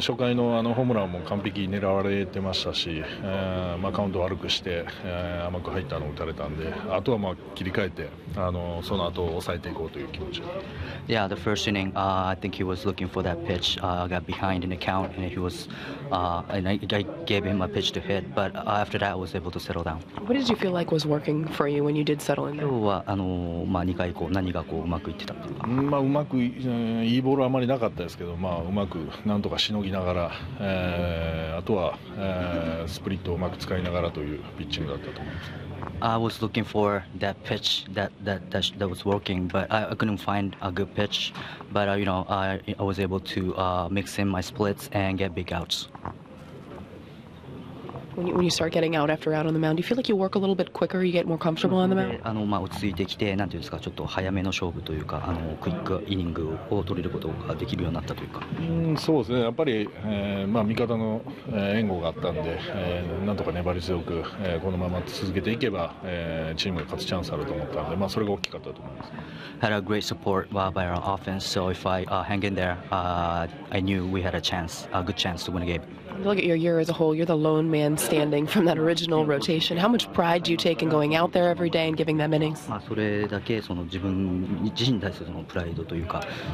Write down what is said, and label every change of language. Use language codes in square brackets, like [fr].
[ja] 初回のあのホームランも完璧狙われてましたし、まあカウント悪くして、甘く入ったのを打たれたんで、あとはまあ切り替えて、その後を抑えていこうという気持ち。 [en] Yeah, the first inning, I think he was looking for that pitch. Got behind in the count, and he was, and I gave him a pitch to hit. But after that, I was able to settle down. What did you feel like was working for you when you did settle in? [ja] 今日はまあ2回以降何がこううまくいってたっていうか。まあうまく、いいボールはあまりなかったですけど、まあうまく。なんとかしのぎながら、あとは、スプリットをうまく使いながらというピッチングだったと思います。 [en] I was looking for that pitch that was working, but I couldn't find a good pitch. But you know, I was able to mix in my splits and get big outs. When you start getting out after out on the mound, do you feel like you work a little bit quicker? You get more comfortable on the mound? [ja] まあ落ち着いてきて、なんていうんですか、ちょっと早めの勝負というか、クイックイニングを取れることができるようになったというか。そうですね。やっぱり、まあ味方の援護があったんで、なんとか粘り強く、このまま続けていけば、チームが勝つチャンスあると思ったんで、まあそれが大きかったと思います。 [en] Had a great support by our offense, so if I hang in there, I knew we had a chance, a good chance to win a game. Look at your year as a whole. You're the lone man standing from that original rotation. How much pride do you take in going out there every day and giving them innings? [ja] まあそれだけその自分自身に対するそのプライドというか、